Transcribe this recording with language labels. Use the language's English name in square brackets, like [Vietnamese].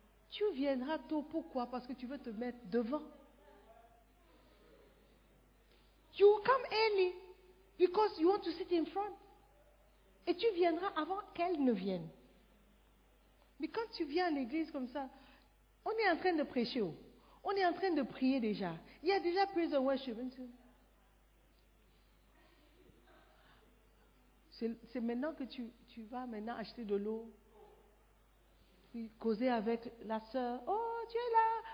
[French] Tu viendras tôt, pourquoi? Parce que tu veux te mettre devant. [English] You come early because you want to sit in front. [French] Et tu viendras avant qu'elle ne vienne. Mais quand tu viens à l'église comme ça, on est en train de prêcher, on est en train de prier déjà. Il y a déjà praise and worship. C'est maintenant que tu vas maintenant acheter de l'eau. Puis causer avec la sœur. Oh, tu es là.